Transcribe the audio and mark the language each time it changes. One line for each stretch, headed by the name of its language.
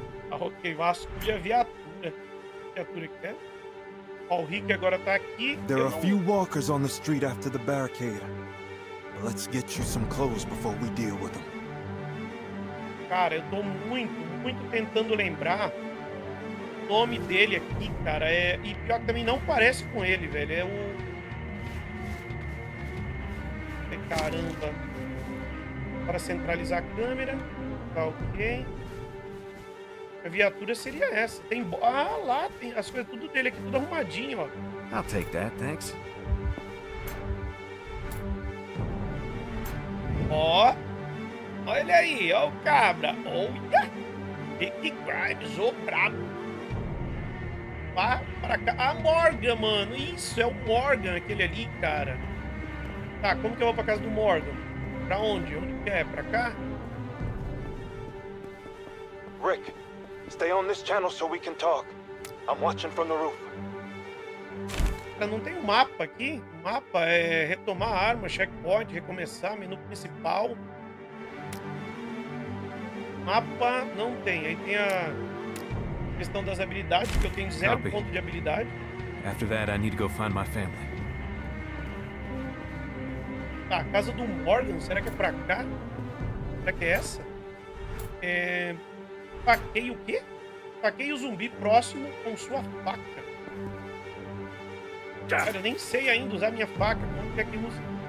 Portuguese: Ok, Vasco de viatura. Viatura que é? Ó, o Rick agora tá aqui.
English: There are a few walkers on the street after the barricade. But let's get you some clothes before we deal with them.
Portuguese: Cara, eu tô muito, muito tentando lembrar o nome dele aqui, cara. É... E pior que também não parece com ele, velho. É o... Caramba. Para centralizar a câmera. Tá ok. A viatura seria essa. Tem lá, tem as coisas tudo dele aqui, tudo arrumadinho, ó.
English: I'll take that, thanks.
Portuguese: Ó. Olha aí, ó o cabra. Olha. Big Crimes, ô brabo. Vá pra cá. Ah, Morgan, mano. Isso, é o Morgan, aquele ali, cara. Tá, como que eu vou pra casa do Morgan? Pra onde? Onde que é? Pra cá? Rick.
English: Stay on this channel so we can talk. I'm watching from the roof.
Portuguese: Cara, não tem um mapa aqui? O mapa é retomar a arma, checkpoint, recomeçar, menu principal. Mapa não tem. Aí tem a questão das habilidades, que eu tenho zero Copy. Ponto de habilidade.
English: After that, I need to go find my family.
Portuguese: Tá, a casa do Morgan, será que é pra cá? Será que é essa? É... Taquei o quê? Taquei o zumbi próximo com sua faca. Cara, eu nem sei ainda usar minha faca. Como que é que usa?